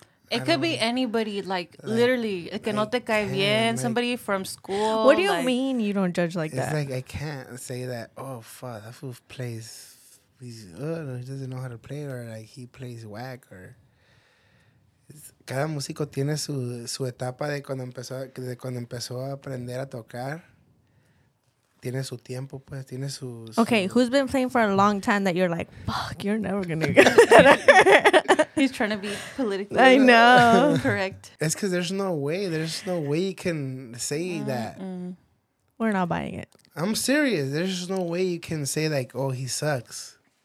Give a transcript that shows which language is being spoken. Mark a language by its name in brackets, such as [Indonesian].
[English] It could be anybody, like literally, [Spanish] que no te cae bien, [English] somebody from school. What do you mean you don't judge like that? It's like I can't say that, oh, fuck, that fool plays, he doesn't know how to play, or like he plays whack, or. [Spanish] Cada músico tiene su etapa de cuando empezó a aprender a tocar. Tiene su tiempo, pues. Tiene su, su. [English] Okay, who's been playing for a long time that you're like, fuck, you're never gonna get that. He's trying to be politically I know. Correct. It's because there's no way. There's no way you can say that. Mm. We're not buying it. I'm serious. There's just no way you can say, like, oh, he sucks.